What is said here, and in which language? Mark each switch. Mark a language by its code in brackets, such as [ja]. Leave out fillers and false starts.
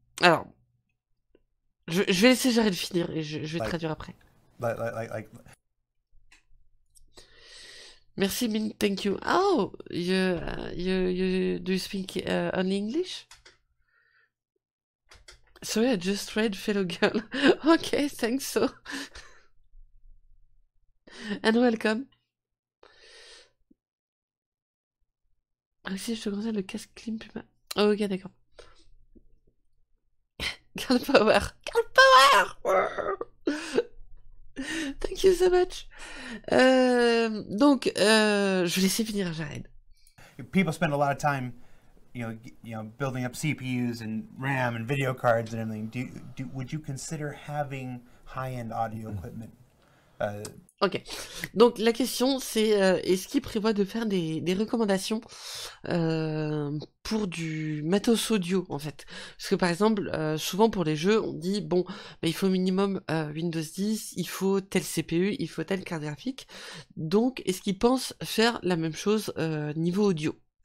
[fr] alors, je vais laisser Jared finir et je vais traduire après. Merci, [en] Min. Thank you. Oh, do you speak only English? Sorry, I just read Fellow Girl. Okay, thanks so. And welcome. [fr] Ah si, je te conseille le casque clim Puma. Oh, ok, d'accord. [en] Girl power. Girl power. Thank you so much. [fr] Donc, je vais laisser finir, Jared. [en] People spend a lot of time, you know, building up CPUs and RAM and video cards and everything. Would you consider having high-end audio equipment? [fr] Ok, donc la question c'est est-ce qu'il prévoit de faire des recommandations pour du matos audio en fait, parce que par exemple souvent pour les jeux on dit bon bah, il faut minimum Windows 10, il faut tel CPU, il faut telle carte graphique, donc est-ce qu'il pense faire la même chose niveau audio?